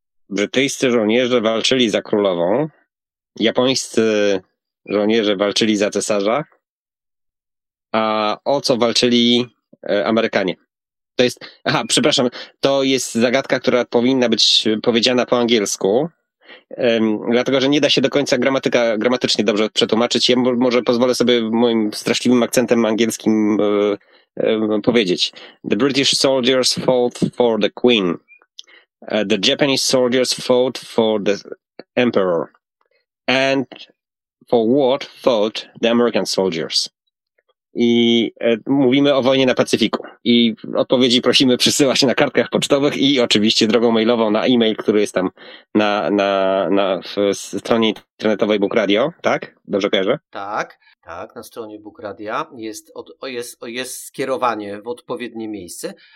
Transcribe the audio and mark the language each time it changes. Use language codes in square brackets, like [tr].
[pl] Brytyjscy żołnierze walczyli za królową, japońscy żołnierze walczyli za cesarza, a o co walczyli Amerykanie? To jest, aha, przepraszam, to jest zagadka, która powinna być powiedziana po angielsku, dlatego że nie da się do końca gramatycznie dobrze przetłumaczyć. Ja może pozwolę sobie moim straszliwym akcentem angielskim powiedzieć. [en] The British soldiers fought for the Queen. The Japanese soldiers fought for the Emperor. And for what fought the American soldiers? [pl] I mówimy o wojnie na Pacyfiku. I odpowiedzi prosimy przysyłać na kartkach pocztowych i oczywiście drogą mailową na e-mail, który jest tam na w stronie internetowej Book Radio, tak? Dobrze kojarzę? Tak, tak, na stronie Book Radio jest skierowanie w odpowiednie miejsce.